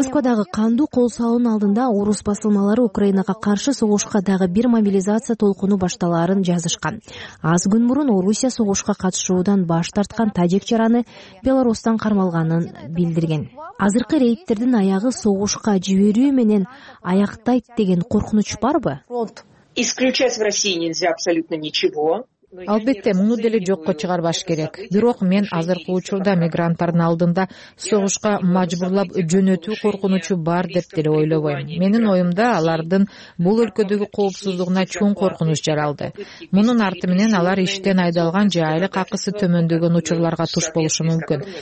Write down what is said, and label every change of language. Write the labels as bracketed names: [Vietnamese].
[Kyrgyz] Москвадагы кандуу кол салуунун алдында орус басылмалары Украинага каршы согушка дагы бир мобилизация толкуну башталарын жазышкан. Аз күн мурун Орусия согушка катышуудан баш тарткан тажик жараны Белорустан кармалганын билдирген. Азыркы рейдтердин аягы согушка жиберүү менен аяктайт деген коркунуч барбы? [Russian] Исключать в России нельзя абсолютно ничего. [Kyrgyz] Албетте, муну деле жокко чыгарбаш керек. Бирок мен азыркы учурда мигранттардын алдында согушка мажбурлап жөнөтүү коркунучу бар деп деле ойлобойм. Менин оюмда алардын бул өлкөдөгү коопсуздугуна чоң коркунуч жаралды. Мунун арты менен алар иштен айдалган же айлык акысы төмөндөгөн учурларга туш болушу мүмкүн.